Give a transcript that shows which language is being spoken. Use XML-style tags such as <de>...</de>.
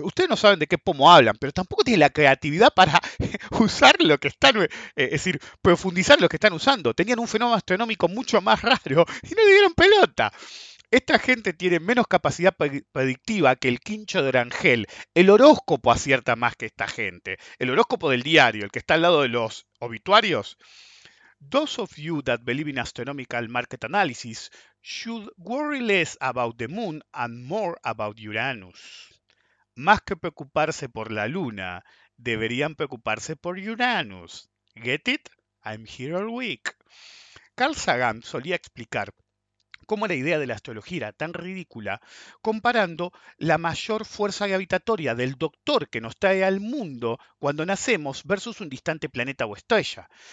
<es>Ustedes no saben de qué pomo hablan, pero tampoco tienen la creatividad para usar lo que están, es decir, profundizar lo que están usando. Tenían un fenómeno astronómico mucho más raro y no le dieron pelota. Esta gente tiene menos capacidad predictiva que el quincho de Orangel. El horóscopo acierta más que esta gente. El horóscopo del diario, el que está al lado de los obituarios.</es> <en>Those of you that believe in astronomical market analysis should worry less about the moon and more about Uranus.</en> <es>Más que preocuparse por la luna, deberían preocuparse por Uranus.</es> <en>Get it? I'm here all week.</en> <es>Carl Sagan solía explicar cómo la idea de la astrología era tan ridícula, comparando la mayor fuerza gravitatoria del doctor que nos trae al mundo cuando nacemos versus un distante planeta o estrella.</es>